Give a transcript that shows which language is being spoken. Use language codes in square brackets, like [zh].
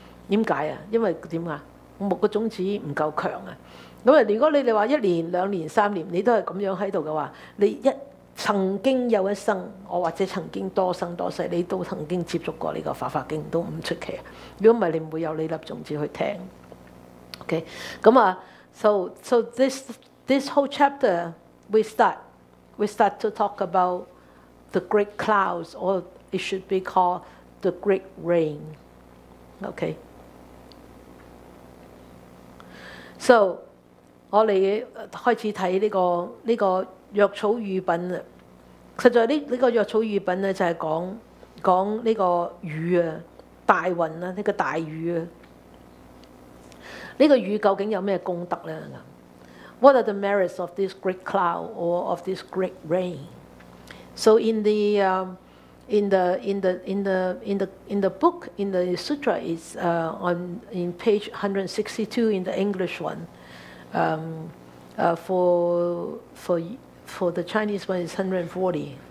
[yue] 點解啊？因為點啊？木個種子唔夠強啊。咁啊，如果你話一年、兩年、三年，你都係咁樣喺度嘅話，你一曾經有一生，我或者曾經多生多世，你都曾經接觸過呢個《法華經》，都唔出奇。如果唔係，你唔會有呢粒種子去聽。 [en] OK， [yue] 咁啊 [en] ，so this whole chapter we start to talk about the great clouds, or it should be called the great rain. [yue] OK， so 我哋開始睇呢個藥草喻品啦。實在呢個藥草喻品咧，就係講呢個雨啊，大雲啊，呢個大雨啊。呢個雨究竟有咩功德咧？ [en] What are the merits of this great cloud or of this great rain? So in the book, in the sutra, it's on page 162 in the English one. For the Chinese one, it's 140.